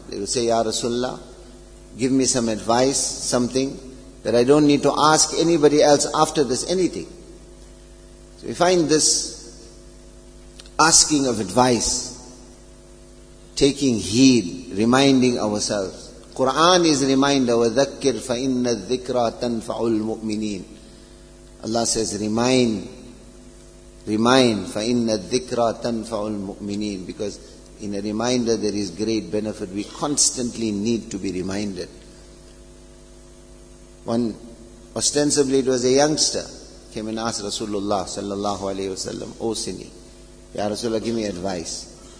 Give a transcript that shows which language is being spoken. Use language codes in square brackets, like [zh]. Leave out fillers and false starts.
[en] They will say, Ya Rasulullah, give me some advice, something that I don't need to ask anybody else after this, anything. So we find this asking of advice, taking heed, reminding ourselves. Quran is a reminder, [ar] وَذَكِّرْ فَإِنَّ الذِّكْرَى تَنْفَعُ الْمُؤْمِنِينَ. [en] Allah says, remind, [ar] فَإِنَّ الذِّكْرَى تَنْفَعُ الْمُؤْمِنِينَ. [en] Because in a reminder there is great benefit. We constantly need to be reminded. One, ostensibly it was a youngster, came and asked Rasulullah sallallahu alayhi wa sallam, O Sini, Ya Rasulullah, give me advice.